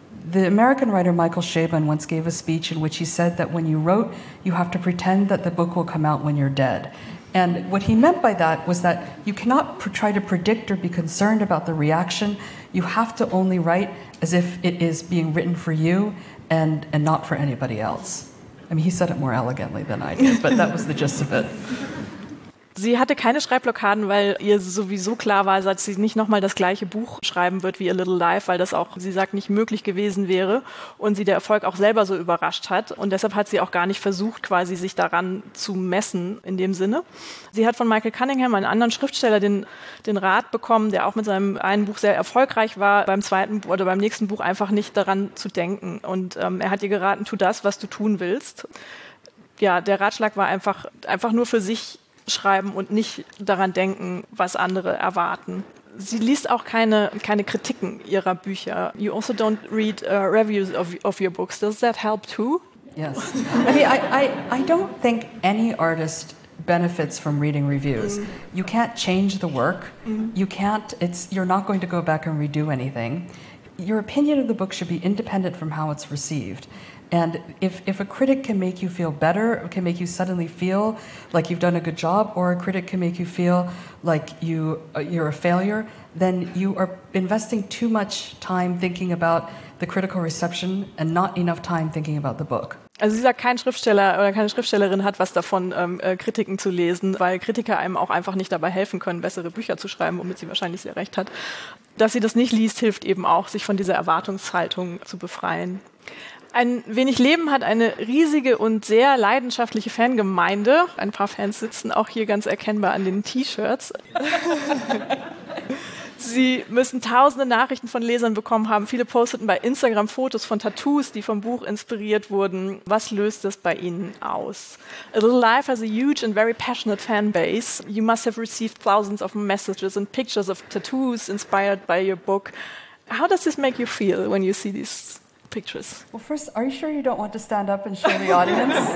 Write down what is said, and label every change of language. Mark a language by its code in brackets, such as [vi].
[en] The American writer Michael Chabon once gave a speech in which he said that when you wrote, you have to pretend that the book will come out when you're dead. And what he meant by that was that you cannot try to predict or be concerned about the reaction. You have to only write as if it is being written for you and not for anybody else. I mean, he said it more elegantly than I did, but that was the gist of it. [de] Sie hatte keine Schreibblockaden, weil ihr sowieso klar war, dass sie nicht nochmal das gleiche Buch schreiben wird wie A Little Life, weil das auch, sie sagt, nicht möglich gewesen wäre und sie der Erfolg auch selber so überrascht hat. Und deshalb hat sie auch gar nicht versucht, quasi sich daran zu messen in dem Sinne. Sie hat von Michael Cunningham, einem anderen Schriftsteller, den Rat bekommen, der auch mit seinem einen Buch sehr erfolgreich war, beim zweiten oder beim nächsten Buch einfach nicht daran zu denken. Und er hat ihr geraten, tu das, was du tun willst. Ja, der Ratschlag war einfach nur für sich schreiben und nicht daran denken, was andere erwarten. Sie liest auch keine Kritiken ihrer Bücher. [en] You also don't read reviews of your books. Does that help too? Yes. I mean, I don't think any artist benefits from reading reviews. Mm. You can't change the work. Mm. You can't, you're not going to go back and redo anything. Your opinion of the book should be independent from how it's received. And if a critic can make you feel better, can make you suddenly feel like you've done a good job, or a critic can make you feel like you're a failure, then you are investing too much time thinking about the critical reception and not enough time thinking about the book. [de] Also sie sagt, kein Schriftsteller oder keine Schriftstellerin hat was davon, Kritiken zu lesen, weil Kritiker einem auch einfach nicht dabei helfen können, bessere Bücher zu schreiben, womit sie wahrscheinlich sehr recht hat. Dass sie das nicht liest, hilft eben auch, sich von dieser Erwartungshaltung zu befreien. Ein wenig Leben hat eine riesige und sehr leidenschaftliche Fangemeinde. Ein paar Fans sitzen auch hier ganz erkennbar an den T-Shirts. Sie müssen tausende Nachrichten von Lesern bekommen haben. Viele posteten bei Instagram Fotos von Tattoos, die vom Buch inspiriert wurden. Was löst das bei Ihnen aus? [en] A Little Life has a huge and very passionate fanbase. You must have received thousands of messages and pictures of tattoos inspired by your book. How does this make you feel when you see these pictures? Well, first, are you sure you don't want to stand up and show the audience?